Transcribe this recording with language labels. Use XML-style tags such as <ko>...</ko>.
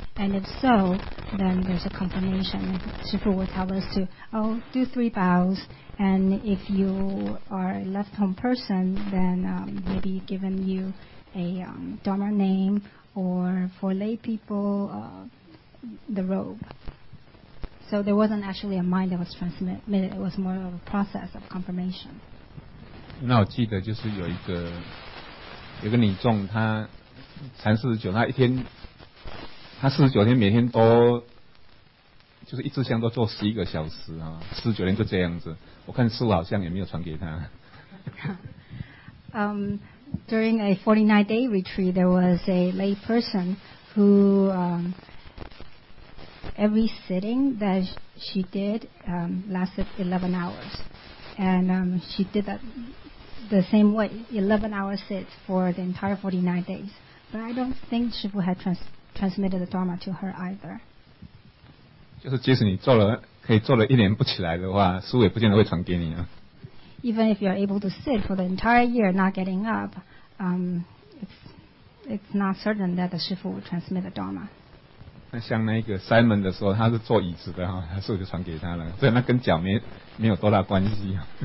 <en>And if so, then there's a confirmation. Shifu will tell us to, do three bows, and if you are a left-home person, then maybe giving you a Dharma name, or for lay people, the robe. So there wasn't actually a mind that was transmitted, it was more of a process of confirmation.</en> <zh>那我记得就是有一个女众，她禅49，她一天，她49天每天都就是一支香都做11个小时啊，49天就这样子。我看师父好像也没有传给她。</zh> <en>During a 49 day retreat, there was a lay person who every sitting that she did lasted 11 hours, and she did that the same way, 11 hour sits for the entire 49 days. But I don't think Shifu had transmitted the Dharma to her either.</en> <zh>就是即使你做了，可以做了一年不起来的话，师父也不见得会传给你啊。</zh> <en>Even if you're able to sit for the entire year not getting up, it's not certain that the Shifu would transmit the Dharma.</en> <zh>那像那个 Simon 的时候，他是坐椅子的，师父就传给他了，所以那跟脚没有多大关系。</zh>